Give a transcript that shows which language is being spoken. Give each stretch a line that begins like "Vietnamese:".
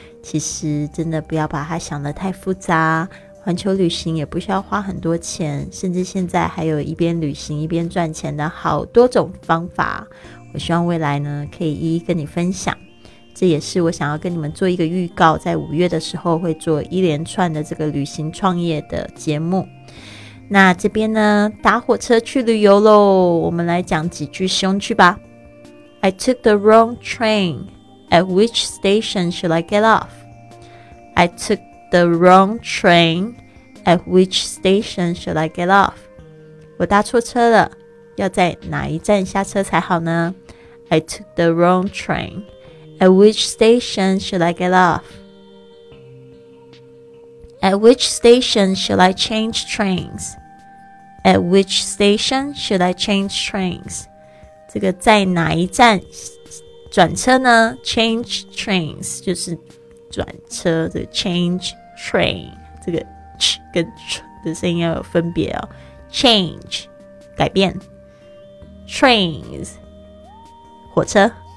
Chinese: 其实真的不要把它想得太复杂，环球旅行也不需要花很多钱，甚至现在还有一边旅行一边赚钱的好多种方法，我希望未来呢可以一一跟你分享。这也是我想要跟你们做一个预告，在五月的时候会做一连串的这个旅行创业的节目。那这边呢，搭火车去旅游咯，我们来讲几句实用句吧。
English: I took the wrong train. At which station should I get off? I tookThe wrong train. At which station should I get off?
Chinese: 我搭错车了，要在哪一站下车才好呢？
English: I took the wrong train. At which station should I get off? At which station should I change trains? At which station should I change trains?
Chinese: 这个在哪一站转车呢？ Change trains 就是转车的 changeTrain 这个 ch 跟 ch 的声音要有分别哦。 Change 改变 ，trains 火车。